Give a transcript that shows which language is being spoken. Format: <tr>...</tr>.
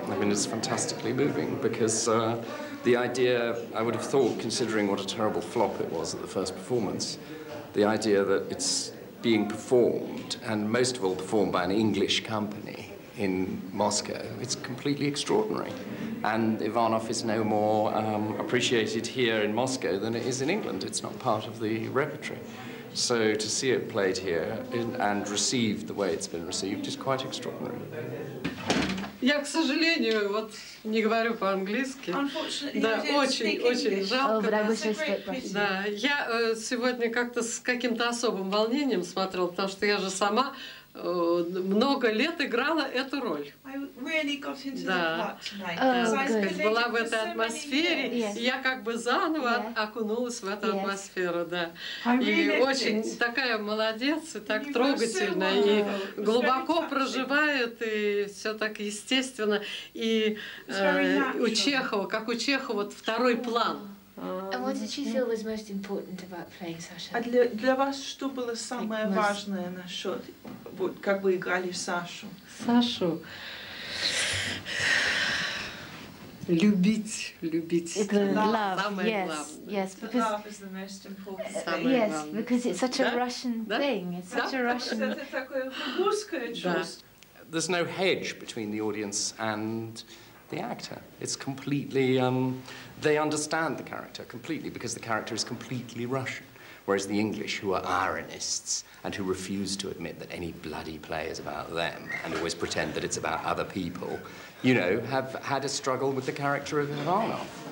<en>I mean, it's fantastically moving because the idea, I would have thought, considering what a terrible flop it was at the first performance, the idea that it's being performed, and most of all performed by an English company in Moscow, it's completely extraordinary. And Ivanov is no more appreciated here in Moscow than it is in England. It's not part of the repertory. So to see it played here and received the way it's been received is quite extraordinary.</en> <ru>Я, к сожалению, вот не говорю по-английски. Да, очень-очень жалко. Да, я сегодня как-то с каким-то особым волнением смотрела, потому что я же сама много лет играла эту роль. Да, была в этой атмосфере, я как бы заново окунулась в эту атмосферу, да. И очень такая молодец, и так трогательно, и глубоко проживает, и все так естественно. И у Чехова, как у Чехова, вот второй план.</ru> <en>And what did you feel was most important about playing Sasha?</en> <ru>А для вас что было самое важное насчет вот как вы играли Сашу? Сашу любить, любить.</ru> <en>Это love. Yes, yes, because love is the most important. Yes, because it's such a Russian thing. It's such a Russian.</en> <ru>Это такое русское чувство.</ru> <en>There's no hedge between the audience and the actor. It's completely, they understand the character completely because the character is completely Russian, whereas the English, who are ironists and who refuse to admit that any bloody play is about them and always pretend that it's about other people, you know, have had a struggle with the character of Ivanov.</en>